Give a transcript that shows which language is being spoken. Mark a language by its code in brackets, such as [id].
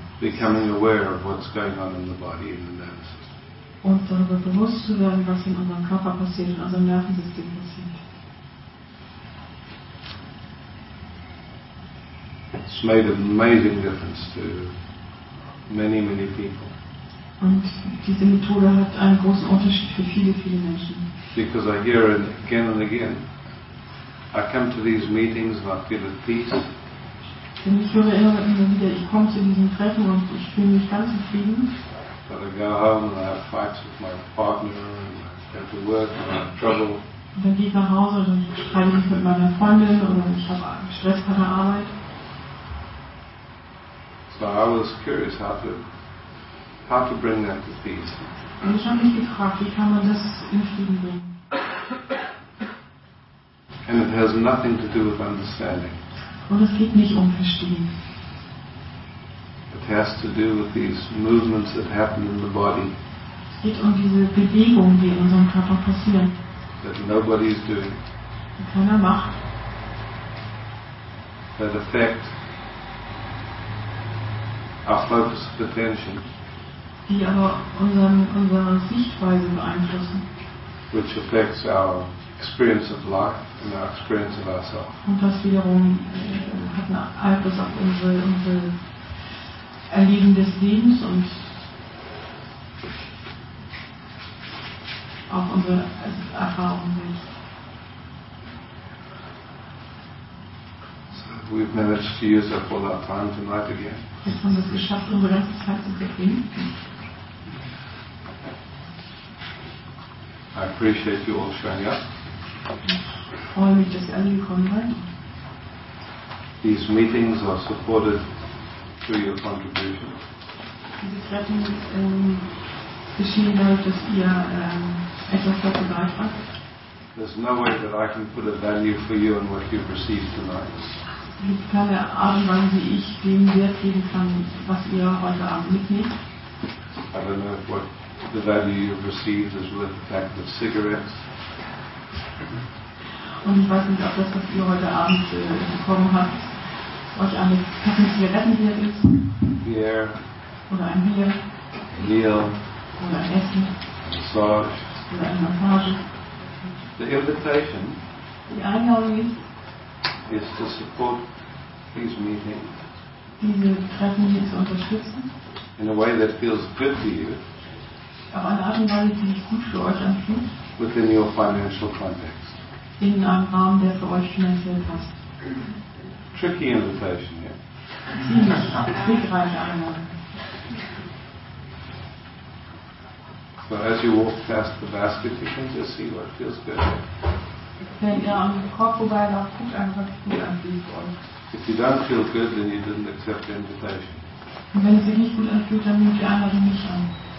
[en] Becoming aware of what's going on in the body in the nervous system. [de] Und darüber bewusst zu werden, was in unserem Körper passiert, in unserem Nervensystem passiert. [en] It's made an amazing difference to many, many people. [de] Und diese Methode hat einen großen Unterschied für viele, viele Menschen. [en] Because I hear it again and again. I come to these meetings and I feel at peace. [de] Denn ich höre immer wieder, ich komme zu diesen Treffen und ich fühle mich ganz in Frieden. [en] But I go home and I have fights with my partner and I have to work and I have trouble. [de] Und dann gehe ich nach Hause und dann streite ich mit meiner Freundin oder ich habe Stress bei der Arbeit. [en] But I was curious how to bring that to peace. [de] Und ich habe mich gefragt, wie kann man das in Frieden bringen? [en] And it has nothing to do with understanding. [de] Und es geht nicht um Verstehen. [en] It has to do with these movements that happen in the body. [de] Es geht um diese Bewegungen, die in unserem Körper passieren. [en] That nobody is doing. [de] Keiner macht. [en] that affect our focus of attention. [de] Die aber unsere Sichtweise beeinflussen. [en] Which affects our experience of life and our experience of ourselves. [de] Und das wiederum hat einen Einfluss auf unsere Erleben des Lebens und auf unsere Erfahrung selbst. [en] We've managed to use up all our time tonight again. [de] Jetzt haben wir es geschafft, unsere ganze Zeit zu verbringen. [en] I appreciate you all showing up. [de] Ich freue mich, dass ihr alle gekommen seid. [en] These meetings are supported through your contribution. [de] Diese Treffen geschehen dadurch, dass ihr etwas dazu beitragt. [en] There's no way that I can put a value for you and what you've received tonight. [de] Es gibt keine Art und Weise, wie ich dem Wert geben kann, was ihr heute Abend mitnehmt. [en] I don't know what the value you've received is worth the fact of cigarettes. [de] Und ich weiß nicht, ob das, was ihr heute Abend bekommen habt, euch eine Packung Zigaretten wert ist. [en] Beer. [de] Oder ein Bier. [en] Meal. [de] Oder ein Essen. [en] Massage. [de] Oder eine Massage. [en] The invitation. [de] Die Einladung ist. [en] Is to support these meetings. [de] Diese Treffen hier zu unterstützen. [en] In a way that feels good to you. [de] Auf eine Art und Weise, die sich gut für euch anfühlt. [en] Within your financial context. [de] In einem Rahmen, der für euch finanziell passt. [en] Tricky invitation, yeah. [de] Trickreiche Einladung. [en] But as you walk past the basket, you can just see what feels good. [de] Wenn ihr am Korb vorbei lauft, guckt einfach, was gut anfühlt für euch. [en] If you don't feel good, then you didn't accept the invitation. [de] Und wenn es sich nicht gut anfühlt, dann nimmt die Einladung nicht an.